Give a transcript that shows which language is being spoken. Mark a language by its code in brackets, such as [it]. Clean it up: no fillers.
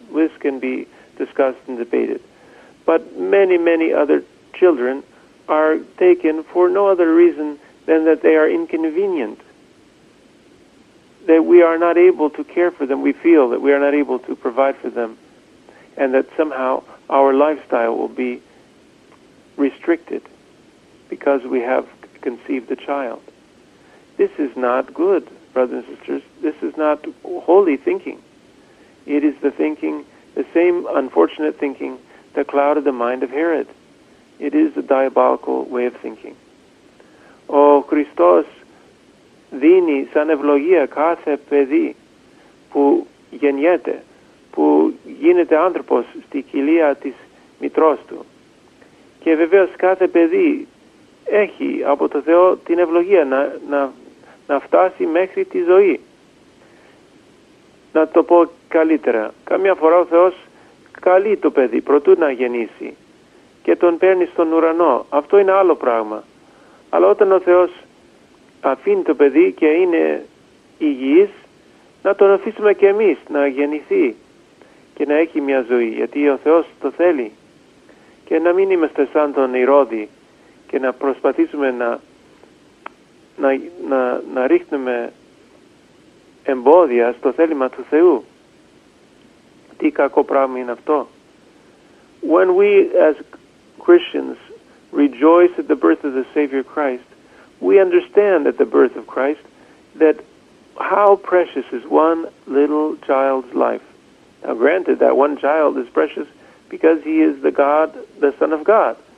[en] This can be discussed and debated. But many, many other children are taken for no other reason than that they are inconvenient, that we are not able to care for them. We feel that we are not able to provide for them, and that somehow our lifestyle will be restricted because we have conceived a child. This is not good, brothers and sisters. This is not holy thinking. It is the thinking, the same unfortunate thinking that clouded the mind of Herod. It is a diabolical way of thinking. [el] Ο Χριστός δίνει σαν ευλογία κάθε παιδί που γεννιέται, που γίνεται άνθρωπος στη κοιλία της μητρός του. Και βεβαίως κάθε παιδί έχει από το Θεό την ευλογία να φτάσει μέχρι τη ζωή. Να το πω καλύτερα. Καμιά φορά ο Θεός καλεί το παιδί προτού να γεννήσει και τον παίρνει στον ουρανό. Αυτό είναι άλλο πράγμα. Αλλά όταν ο Θεός αφήνει το παιδί και είναι υγιής, να τον αφήσουμε και εμείς να γεννηθεί και να έχει μια ζωή, γιατί ο Θεός το θέλει. Και να μην είμαστε σαν τον Ηρώδη και να προσπαθήσουμε να ρίχνουμε εμπόδια στο θέλημα του Θεού. Τι κακό πράγμα είναι αυτό. [en] When we as Christians rejoice at the birth of the Savior Christ, we understand at the birth of Christ that how precious is one little child's life. Now granted, that one child is precious because he is the God, the Son of God.